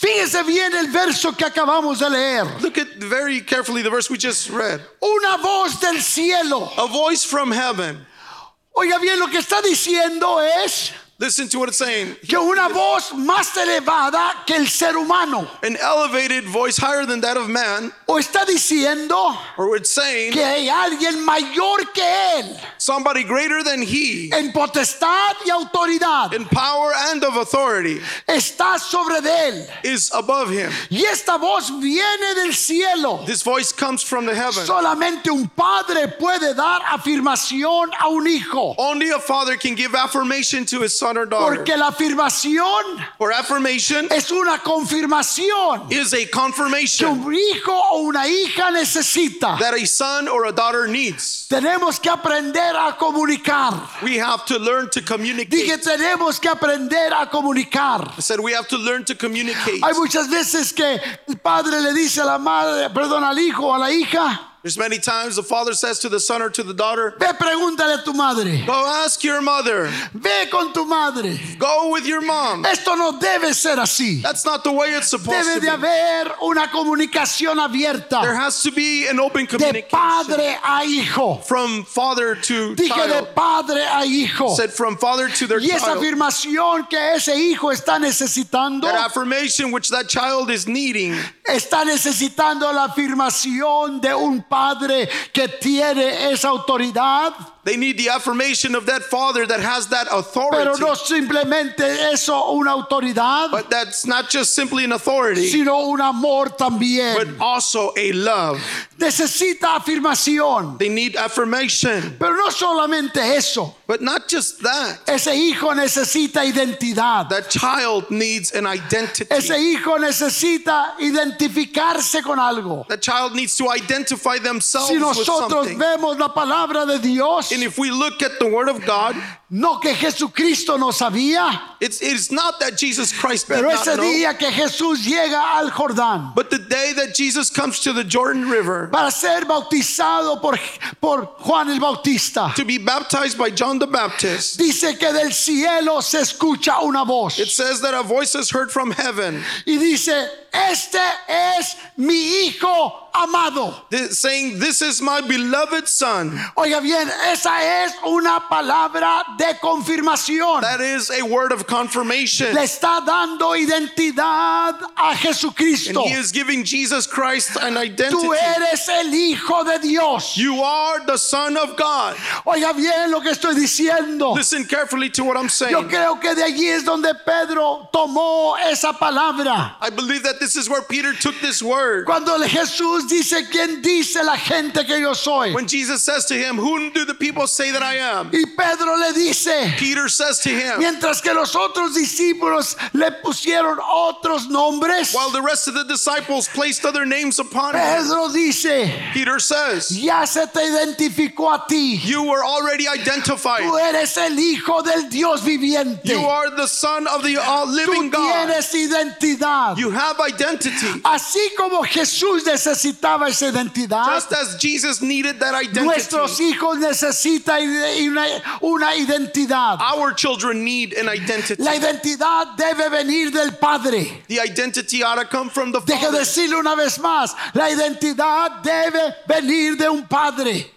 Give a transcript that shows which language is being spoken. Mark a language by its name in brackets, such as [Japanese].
[Spanish] Fíjese bien el verso que acabamos de leer. [English] Look at very carefully the verse we just read. [Spanish] Una voz del cielo, [English] a voice from heaven. [Spanish] Oiga bien, lo que está diciendo es, [English] listen to what it's saying. [Spanish] Que una voz más elevada que el ser humano. [English] An elevated voice higher than that of man. [Spanish] O está diciendo, [English] or it's saying, [Spanish] que hay alguien mayor que él. [English] Somebody greater than he. [Spanish] En potestad y autoridad. [English] In power and of authority. [Spanish] Está sobre de él. [English] Is above him. [Spanish] Y esta voz viene del cielo. [English] This voice comes from the heaven. [Spanish] Solamente un padre puede dar afirmación a un hijo. [English] Only a father can give affirmation to his son or daughter. [Spanish] Porque la afirmación, [English] or affirmation, [Spanish] es una confirmación, [English] is a confirmation, [Spanish] que un hijo o una hija necesita, [English] that a son or a daughter needs. [Spanish] Tenemos que aprender a comunicar. [English] We have to learn to communicate. [Spanish] Dije, tenemos que aprender a comunicar. [English] I said we have to learn to communicate. [Spanish] Hay muchas veces que el padre le dice a la madre, perdón, al hijo o a la hija, [English] there's many times the father says to the son or to the daughter, [Spanish] ve, pregúntale a tu madre. [English] Go ask your mother. [Spanish] Ve con tu madre. [English] Go with your mom. [Spanish] Esto no debe ser así. [English] That's not the way it's supposed [Spanish] debe [English] to be. [Spanish] Haber una comunicación abierta. [English] There has to be an open communication. [Spanish] De padre a hijo. [English] From father to [Spanish] dije [English] child. [Spanish] De padre a hijo. [English] Said from father to their [Spanish] y esa [English] child. [Spanish] Afirmación que ese hijo está necesitando, [English] that affirmation which that child is needing, [Spanish] está necesitando la afirmación de un padre que tiene esa autoridad. [English] They need the affirmation of that father that has that authority. [Spanish] Pero no simplemente eso, una autoridad, [English] but that's not just simply an authority, [Spanish] sino un amor también, [English] but also a love. [Spanish] Necesita afirmación. [English] They need affirmation. [Spanish] Pero no solamente eso. [English] But not just that. [Spanish] Ese hijo necesita identidad. [English] That child needs an identity. [Spanish] Ese hijo necesita identificarse con algo. [English] That child needs to identify themselves [Spanish] si nosotros [English] with something. [Spanish] Vemos la palabra de Dios, [English] and if we look at the word of God, [Spanish] no que Jesucristo no sabía, [English] it's not that Jesus Christ did [Spanish] pero ese [English] not [Spanish] día [English] know, [Spanish] que Jesús llega al Jordán, [English] but the day that Jesus comes to the Jordan River [Spanish] para ser bautizado por Juan el Bautista, [English] to be baptized by John the Baptist, [Spanish] dice que del cielo se escucha una voz. [English] It says that a voice is heard from heaven. [Spanish] Y dice, este es mi hijo amado. [English] Saying, this is my beloved son. [Spanish] Oiga bien, esa es una palabra de confirmación. [English] That is a word of confirmation. [Spanish] Le está dando identidad a Jesucristo. [English] And he is giving Jesus Christ an identity. [Spanish] Tú eres el hijo de Dios. [English] You are the son of God. [Spanish] Oiga bien lo que estoy diciendo. [English] Listen carefully to what I'm saying. [Spanish] Yo creo que de allí es donde Pedro tomó esa palabra. [English] I believe that this is where Peter took this word. [Spanish] Cuando Jesús dice, ¿quién dice la gente que yo soy? [English] When Jesus says to him, whom do the people say that I am? [Spanish] Y Pedro le dice, [English] Peter says to him, [Spanish] mientras que los otros discípulos le pusieron otros nombres, [English] while the rest of the disciples placed other names upon [Spanish] Pedro [English] him, [Spanish] Pedro dice, [English] Peter says, [Spanish] ya se te identificó a ti. [English] You were already identified. [Spanish] Tú eres el hijo del Dios viviente. [English] You are the son of the living God. [Spanish] Tú tienes identidad. [English] You have identity. [Spanish] Así como Jesús necesitaba esa identidad, [English] just as Jesus needed that identity, [Spanish] nuestros hijos necesitan una identidad. [English] Our children need an identity. [Spanish] La identidad debe venir del Padre. [English] The identity ought to come from the Father. [Spanish] Deje decirle una vez más, la identidad debe venir de un Padre.